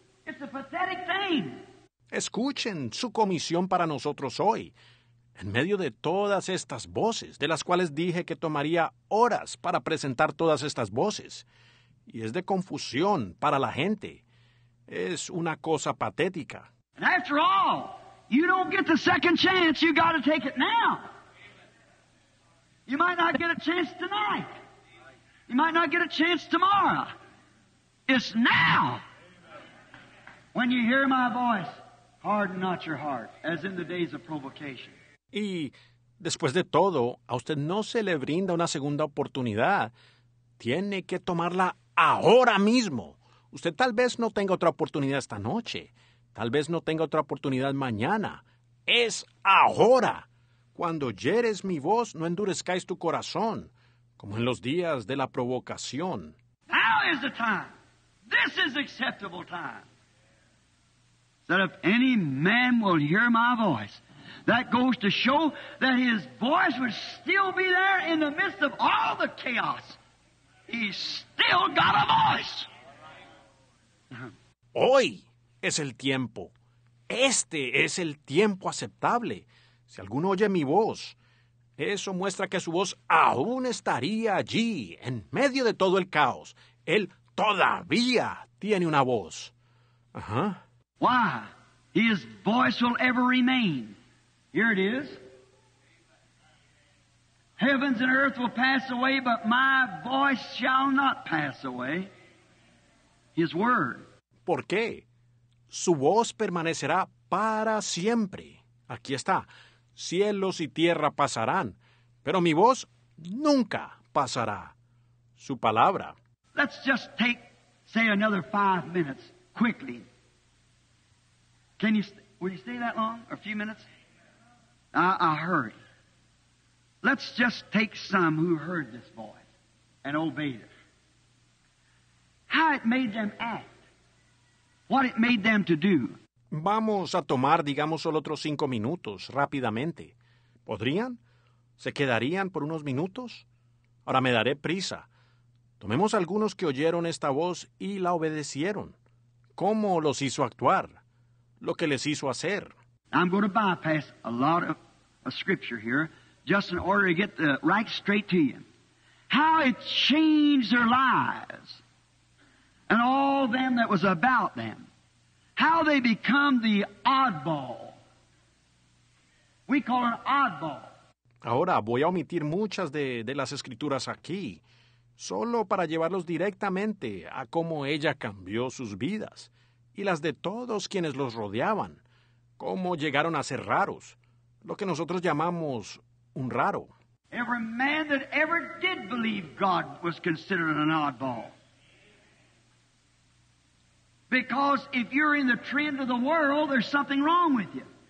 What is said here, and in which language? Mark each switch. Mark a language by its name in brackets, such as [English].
[English] It's a pathetic thing. [Spanish] Escuchen su comisión para nosotros hoy. En medio de todas estas voces, de las cuales dije que tomaría horas para presentar todas estas voces, y es de confusión para la gente, es una cosa patética. [English] And after all, you don't get the second chance. You got to take it now. You might not get a chance tonight. You might not get a chance tomorrow. It's now. When you hear my voice, harden not your heart, as in the days of provocation. [Spanish] Y después de todo, a usted no se le brinda una segunda oportunidad. Tiene que tomarla ahora mismo. Usted tal vez no tenga otra oportunidad esta noche. Tal vez no tenga otra oportunidad mañana. Es ahora. Cuando oyeres mi voz, no endurezcáis tu corazón, como en los días de la provocación. [English] Now is the time. This is acceptable time. That if any man will hear my voice, that goes to show that his voice would still be there in the midst of all the chaos. He's still got a voice. [Spanish] Hoy es el tiempo. Este es el tiempo aceptable. Si alguno oye mi voz, eso muestra que su voz aún estaría allí, en medio de todo el caos. Él todavía tiene una voz. [English] Why? His voice will ever remain. Here it is. Heavens and earth will pass away, but my voice shall not pass away. His word. [Spanish] ¿Por qué? Su voz permanecerá para siempre. Aquí está. Cielos y tierra pasarán, pero mi voz nunca pasará. Su palabra. [English] Let's just take, say, another 5 minutes, quickly. Will you stay that long, or a few minutes? I'll hurry. Let's just take some who heard this voice and obeyed it. How it made them act. What it made them to do. [Spanish] Vamos a tomar, digamos, solo otros 5 minutos, rápidamente. ¿Podrían? ¿Se quedarían por unos minutos? Ahora me daré prisa. Tomemos algunos que oyeron esta voz y la obedecieron. ¿Cómo los hizo actuar? ¿Lo que les hizo hacer? [English] I'm going to bypass a lot of scripture here, just in order to get the right straight to you. How it changed their lives and all them that was about them. How they become the oddball. We call an oddball. [Spanish] Ahora voy a omitir muchas de las escrituras aquí, solo para llevarlos directamente a cómo ella cambió sus vidas y las de todos quienes los rodeaban, cómo llegaron a ser raros, lo que nosotros llamamos un raro. [English] Every man that ever did believe God was considered an oddball. Because if you're in the trend of the world, there's something wrong with you.